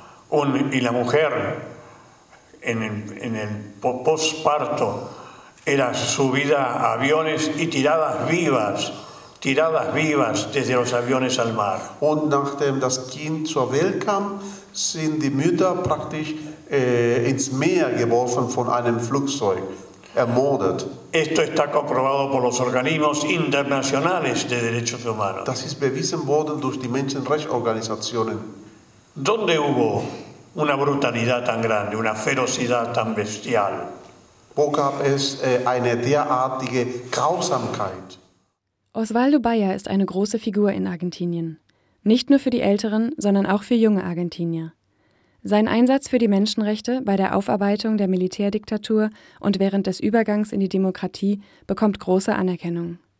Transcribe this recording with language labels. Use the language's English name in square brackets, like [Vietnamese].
[German] Und die Mutter [Spanish] in el postparto era subida a aviones y tiradas vivas desde los aviones al mar. [German] Und nachdem das Kind zur Welt kam, sind die Mütter praktisch ins Meer geworfen von einem Flugzeug. Ermordet. [Spanish] Esto está comprobado por los organismos internacionales de derechos humanos. [German] Das ist bewiesen worden durch die Menschenrechtsorganisationen. [Spanish] ¿Dónde hubo una brutalidad tan grande, una ferocidad tan bestial? [German] Wo gab es eine derartige Grausamkeit? Osvaldo Bayer ist eine große Figur in Argentinien. Nicht nur für die Älteren, sondern auch für junge Argentinier. Sein Einsatz für die Menschenrechte bei der Aufarbeitung der Militärdiktatur und während des Übergangs in die Demokratie bekommt große Anerkennung.